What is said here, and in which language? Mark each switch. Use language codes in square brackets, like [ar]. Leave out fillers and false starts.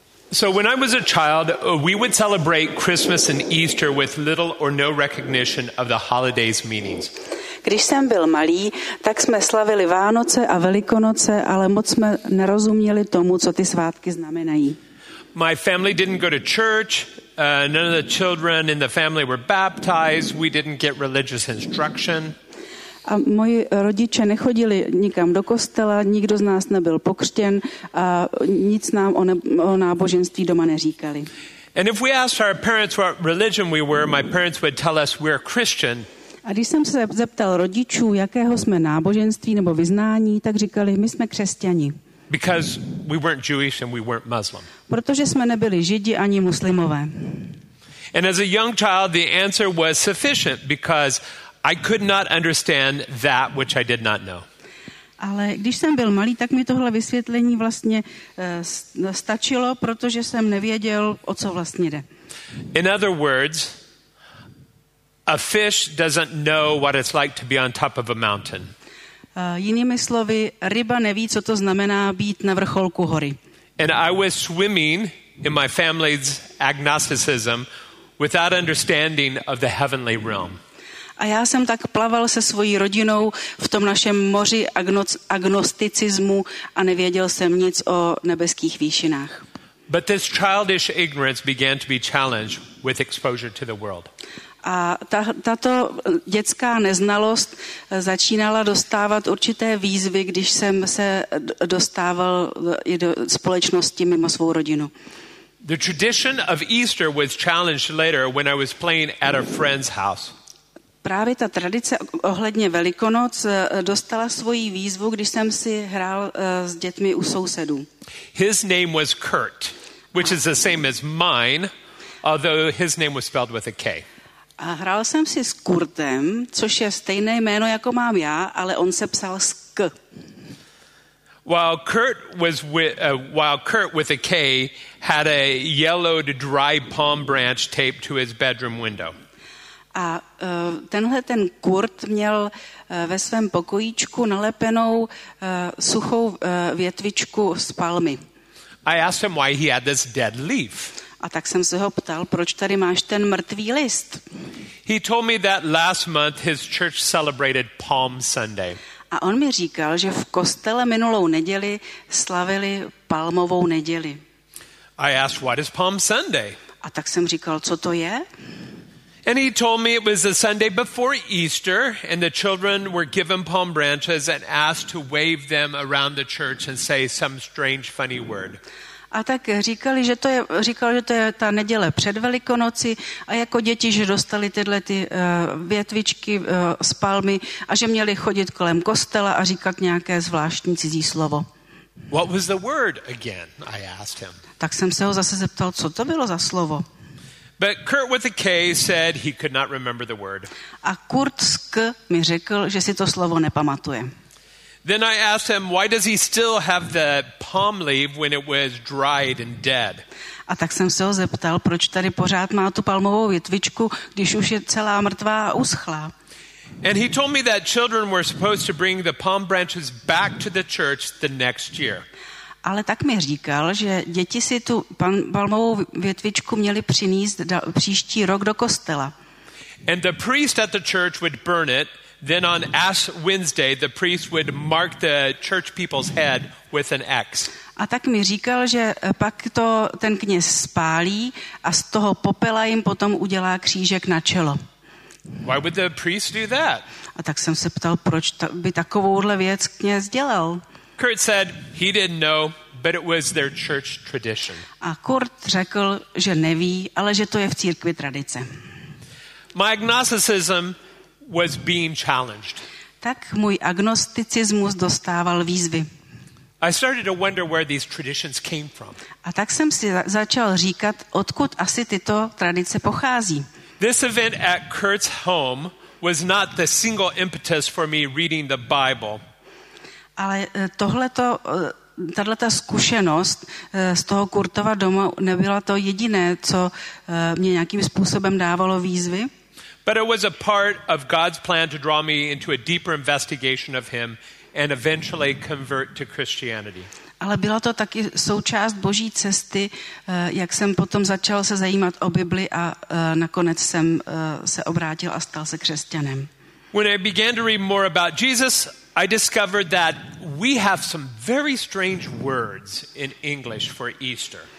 [en] So when I was a child, we would celebrate Christmas and Easter with little or no recognition of the holidays' meanings. [cs] Když jsem byl malý, tak jsme slavili Vánoce a Velikonoce, ale moc jsme nerozuměli tomu, co ty svátky znamenají. [en] My family didn't go to church. None of the children in the family were baptized. We didn't get religious instruction. [cs] A moji rodiče nechodili nikam do kostela, nikdo z nás nebyl pokřtěn a nic nám o náboženství doma neříkali. [en] And if we asked our parents what religion we were, my parents would tell us we're Christian. [cs] A když jsem se zeptal rodičů, jakého jsme náboženství nebo vyznání, tak říkali: my jsme křesťani. [en] Because we weren't Jewish and we weren't Muslim. [cs] Protože jsme nebyli Židi ani muslimové. [en] And as a young child, the answer was sufficient because I could not understand that which I did not know. [cs] Ale když jsem byl malý, tak mi tohle vysvětlení vlastně stačilo, protože jsem nevěděl, o co vlastně jde. [en] In other words, a fish doesn't know what it's like to be on top of a mountain. [cs] Jinými slovy, ryba neví, co to znamená být na vrcholku hory. [en] And I was swimming in my family's agnosticism without understanding of the heavenly realm. [cs] A já jsem tak plaval se svojí rodinou v tom našem moři agnosticismu a nevěděl jsem nic o nebeských výšinách. [en] But this childish ignorance began to be challenged with exposure to the world. [cs] A tato dětská neznalost začínala dostávat určité výzvy, když jsem se dostával do společnosti mimo svou rodinu. [en] The tradition of Easter was challenged later when I was playing at a friend's house. [cs] Právě ta tradice ohledně Velikonoc dostala svoji výzvu, když jsem si hrál s dětmi u sousedů. [en] His name was Kurt, which is the same as mine, although his name was spelled with a K. [cs] A hrál jsem si s Kurtem, což je stejné jméno, jako mám já, ale on se psal s K. [en] While Kurt was with, while Kurt with a K had a yellowed dry palm branch taped to his bedroom window. [cs] A tenhle ten Kurt měl ve svém pokojíčku nalepenou suchou větvičku z palmy. [en] I asked him why he had this dead leaf. [cs] A tak jsem se ho ptal, proč tady máš ten mrtvý list. [en] He told me that last month his church celebrated Palm Sunday. [cs] A on mi říkal, že v kostele minulou neděli slavili palmovou neděli. [en] I asked, what is Palm Sunday? [cs] A tak jsem říkal, co to je? [en] And he told me it was the Sunday before Easter and the children were given palm branches and asked to wave them around the church and say some strange funny word. [cs] A tak říkali, že to je, říkal, že to je ta neděle před Velikonoci a jako děti, že dostali tyhle ty větvičky z palmy a že měli chodit kolem kostela a říkat nějaké zvláštní cizí slovo. [en] What was the word again? I asked him. [cs] Tak jsem se ho zase zeptal, co to bylo za slovo. [en] But Kurt with a K said he could not remember the word. [cs] A Kurt s K mi řekl, že si to slovo nepamatuje. [en] Then I asked him, why does he still have the palm leaf when it was dried and dead? [cs] A tak jsem se ho zeptal, proč tady pořád má tu palmovou větvičku, když už je celá mrtvá a uschlá. [en] And he told me that children were supposed to bring the palm branches back to the church the next year. [cs] Ale tak mi říkal, že děti si tu palmovou větvičku měli přinést příští rok do kostela. [en] And the priest at the church would burn it. Then on Ash Wednesday, the priest would mark the church people's head with an X. [cs] A tak mi říkal, že pak to ten kněz spálí a z toho popela jim potom udělá křížek na čelo. [en] Why would the priest do that? [cs] A tak jsem se ptal, proč by takovouhle věc kněz dělal. [en] Kurt said he didn't know, but it was their church tradition. [cs] A Kurt řekl, že neví, ale že to je v církvi tradice. [en] My agnosticism was being challenged. [cs] Tak můj agnosticismus dostával výzvy. [en] I started to wonder where these traditions came from. [cs] A tak jsem si začal říkat, odkud asi tyto tradice pochází. [en] This event at Kurt's home was not the single impetus for me reading the Bible. [cs] Ale tohleto, tato zkušenost z toho Kurtova domu nebyla to jediné, co mě nějakým způsobem dávalo výzvy. [en] But it was a part of God's plan to draw me into a deeper investigation of him and eventually convert to Christianity. [cs] Ale byla to taky součást Boží cesty, jak jsem potom začal se zajímat o Bibli a nakonec jsem se obrátil a stal se křesťanem. [en] When I began to read more about Jesus, I discovered that we have some very strange words in English for Easter.